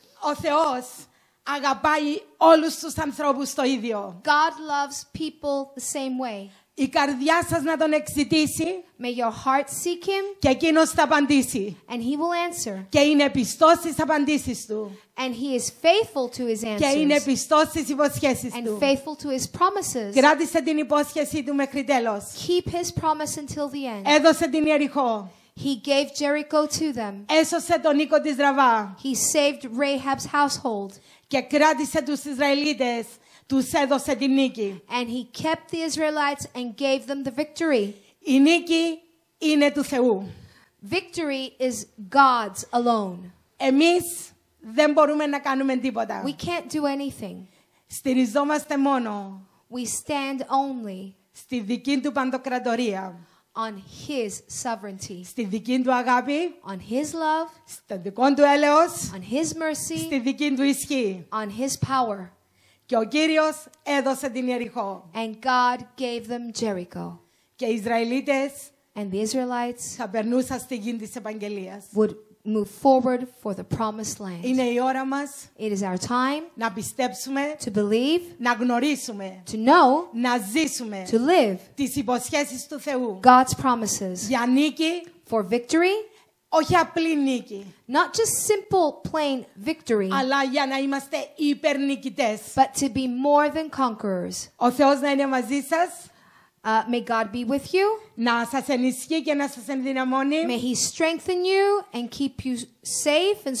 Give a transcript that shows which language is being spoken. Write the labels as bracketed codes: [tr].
[el] Ο Θεός αγαπάει όλους τους ανθρώπους το ίδιο. [en] God loves people the same way. [el] Η καρδιά σας να τον εξητήσει. [en] May your heart seek him. [el] Και εκείνος θα απαντήσει. [en] And he will answer. [el] Και είναι πιστός στις απαντήσεις του. [en] And he is faithful to his answers. [el] Και είναι πιστός στις υποσχέσεις [en] and [el] του. [en] And faithful to his promises. [el] Κράτησε την υπόσχεσή του μέχρι τέλος. [en] Keep his promise until the end. [el] Έδωσε την Ιεριχώ. [en] He gave Jericho to them. [el] Έσωσε τον Νίκο της Ραβά. [en] He saved Rahab's household. [el] Και κράτησε τους Ισραηλίτες. Τους έδωσε την νίκη. [en] And he kept the Israelites and gave them the victory. [el] Η νίκη είναι του Θεού. [en] Victory is God's alone. [el] Εμείς δεν μπορούμε να κάνουμε τίποτα. [en] We can't do anything. [el] Στηριζόμαστε μόνο. [en] We stand only. [el] Στη δική του παντοκρατορία. [en] On his sovereignty. [el] Στη δική του αγάπη. [en] On his love. [el] Στο δικό του έλεος. [en] On his mercy. [el] Στη δική του ισχύ. [en] On his power. [el] Και ο Κύριος έδωσε την Ιεριχώ. [en] And God gave them Jericho. [el] Και οι Ισραηλίτες [en] and the Israelites [el] θα περνούσαν στη γη της Επαγγελίας. [en] Would move forward for the promised land. [el] Είναι η ώρα μας. [en] It is our time. [el] Να πιστέψουμε. [en] To believe. [el] Να γνωρίσουμε. [en] To know. [el] Να ζήσουμε. [en] To live. [el] Τις υποσχέσεις του Θεού. [en] God's promises. [el] Για νίκη. [en] For victory. [el] Όχι απλή νίκη. [en] Not just simple, plain victory. [el] Αλλά για να είμαστε υπερνικητές. [en] But to be more than conquerors. [el] Ο Θεός να είναι μαζί σας. [en] May God be with you. [el] Να σας ενισχύει και να σας ενδυναμώνει. [en] May he strengthen you and keep you safe and strong.